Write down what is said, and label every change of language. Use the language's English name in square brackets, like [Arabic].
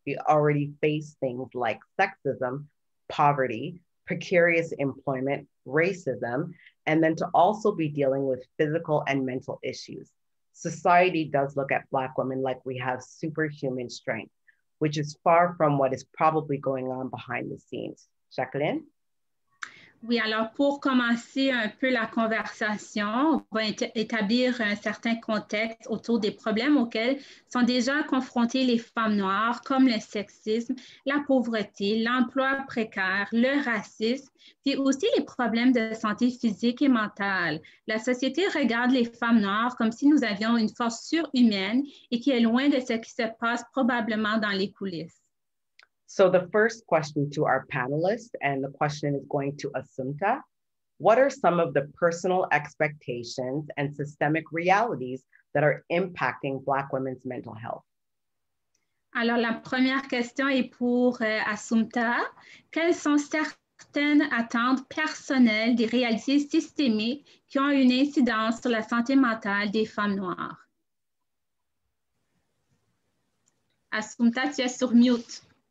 [English] We already face things like sexism, poverty, precarious employment, racism, and then to also be dealing with physical and mental issues. Society does look at Black women like we have superhuman strength, which is far from what is probably going on behind the scenes. Jacklyn? [French] Oui, alors pour commencer un peu la conversation, on va établir un certain contexte autour des problèmes auxquels sont déjà confrontées les femmes noires, comme le sexisme, la pauvreté, l'emploi précaire, le racisme, puis aussi les problèmes de santé physique et mentale. La société regarde les femmes noires comme si nous avions une force surhumaine et qui est loin de ce qui se passe probablement dans les coulisses. [English] So the first question to our panelists, and the question is going to Assumpta. What are some of the personal expectations and systemic realities that are impacting Black women's mental health? [French] Alors, la première question est pour Assumpta. Quelles sont certaines attentes personnelles des réalités systémiques qui ont une incidence sur la santé mentale des femmes noires? Assumpta, tu es sur mute.